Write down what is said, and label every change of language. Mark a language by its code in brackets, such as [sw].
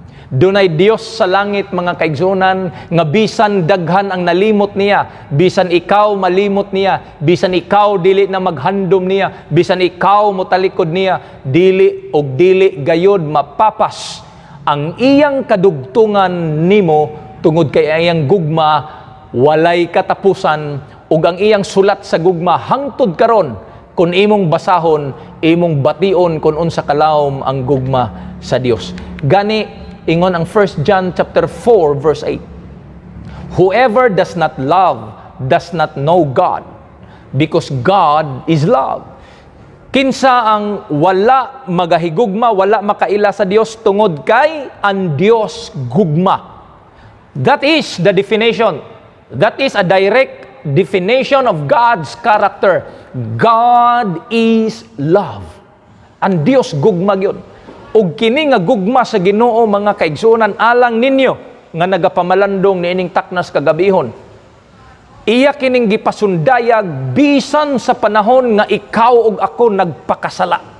[ceb] Dunay Dios sa langit mga kaigsuunan, nga bisan daghan ang nalimot niya, bisan ikaw malimot niya, bisan ikaw dili na maghandom niya, bisan ikaw motalikod niya, dili og dili gayod mapapas ang iyang kadugtungan nimo tungod kay iyang gugma walay katapusan, og ang iyang sulat sa gugma hangtod karon kun imong basahon, imong bation kun unsa kalawom ang gugma sa Dios. Gani ingon ang 1 John chapter 4 verse 8. [en] Whoever does not love does not know God, because God is love. [ceb] Kinsa ang wala magahigugma, wala makaila sa Dios tungod kay ang Dios gugma. [en] That is the definition. That is a direct definition of God's character. God is love. [ceb] Ang Dios gugma gyud. Og kini nga gugma sa Ginoo mga kaigsoonan, alang ninyo nga nagapamalandong niining taknas kagabihon, iya kining gipasundayag bisan sa panahon nga ikaw og ako nagpakasala.